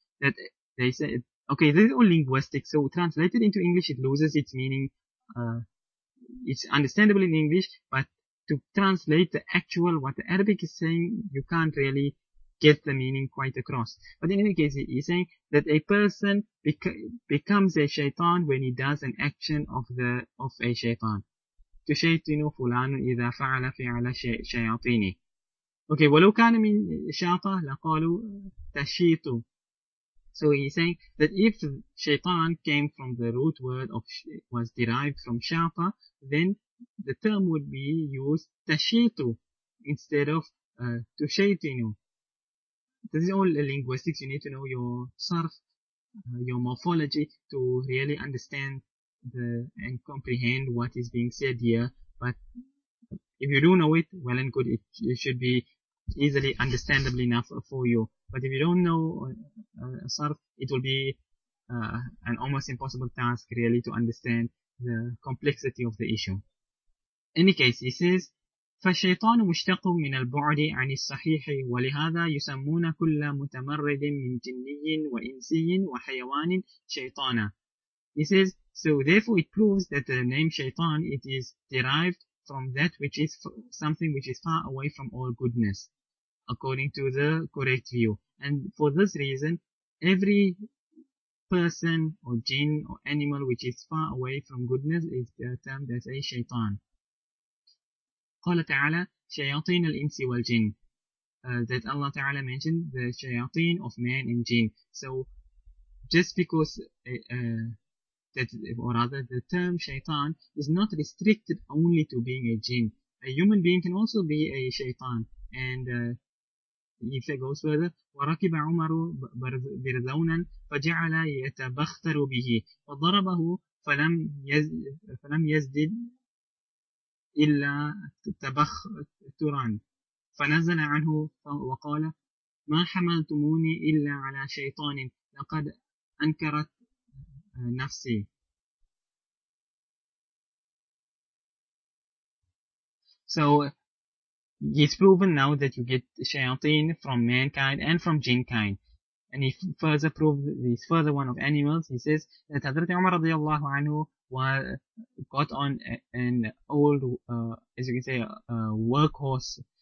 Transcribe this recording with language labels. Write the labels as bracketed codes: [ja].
[en] That they say, okay, this is all linguistic, so translated into English, it loses its meaning. It's understandable in English, but to translate the actual what the Arabic is saying, you can't really get the meaning quite across. But in any case, he's saying that a person becomes a shaitan when he does an action of a shaitan. [ar] تشيطن فلان إذا فعل فعل شياطيني. Okay, ولو كان من شاطه لقالوا تشيط. [en] So he's saying that if shaitan came from the root word of was derived from shata, then the term would be used تشيط instead of تشيطن. This is all linguistics. You need to know your surf, your morphology to really understand the and comprehend what is being said here. But if you do know it well and good, it should be easily understandable enough for you. But if you don't know surf, it will be an almost impossible task really to understand the complexity of the issue. In any case, he says, [ar] فالشيطان مشتق من البعد عن الصحيح ولهذا يسمون كل متمرد من جني وإنسي وحيوان شيطانا. [en] He says, so therefore it proves that the name shaitan, it is derived from that which is something which is far away from all goodness, according to the correct view. And for this reason, every person or jinn or animal which is far away from goodness is termed as a shaitan. [ar] قال تعالى شياطين الإنس والجن. [en] That Allah Ta'ala mentioned the shayateen of man and jinn. So just because the term shaitan is not restricted only to being a jinn. A human being can also be a shaitan. And if it goes further, [ar] وَرَكِبَ عُمَرُ بِرْذَوْنًا فَجَعَلَ يَتَبَخْتَرُ بِهِ وَضَرَبَهُ فَلَمْ يَزْدِدْ إِلَّا تَبَخْتُرًا فَنَزَلَ عَنْهُ وَقَالَ مَا حَمَلْتُمُونِي إِلَّا عَلَى شَيْطَانٍ لَقَدْ أَنْكَرَتْ نَفْسِي. [en] So it's proven now that you get shayateen from mankind and from jinnkind. And he further proved this further one of animals. He says that Hazrat Umar radiallahu anhu got on an old, as you can say, a workhorse.